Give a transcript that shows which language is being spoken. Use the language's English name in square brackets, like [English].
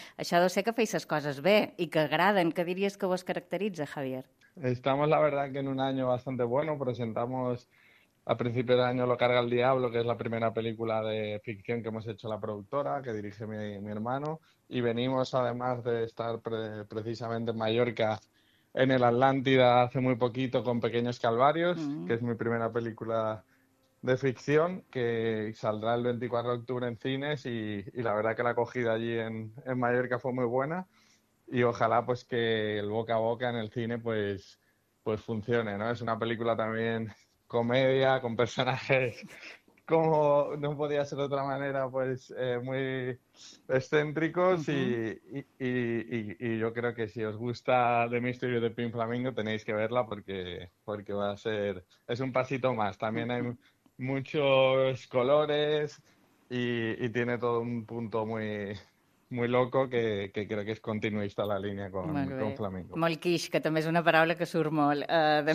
[Catalan] Això deu ser que feis les coses bé i que agraden. Què diries que vos caracteritza, Javier? [Spanish] Estamos, la verdad, que en un año bastante bueno. Presentamos a principio de año Lo carga el diablo, que es la primera película de ficción que hemos hecho la productora, que dirige mi hermano. Y venimos, además de estar precisamente en Mallorca, en el Atlántida hace muy poquito con Pequeños Calvarios, que es mi primera película de ficción, que saldrá el 24 de octubre en cines y la verdad que la acogida allí en Mallorca fue muy buena y ojalá pues que el boca a boca en el cine pues funcione, ¿no? Es una película también comedia, con personajes como no podía ser de otra manera, pues muy excéntricos y yo creo que si os gusta The Mystery of the Pink Flamingo tenéis que verla porque va a ser, es un pasito más. También hay muchos colores y tiene todo un punto muy, muy loco que creo que es continuista la línia [Catalan] Molt [Spanish] con [Catalan] bé. Flamingo. Molt quiche, que també és una paraula que surt molt, de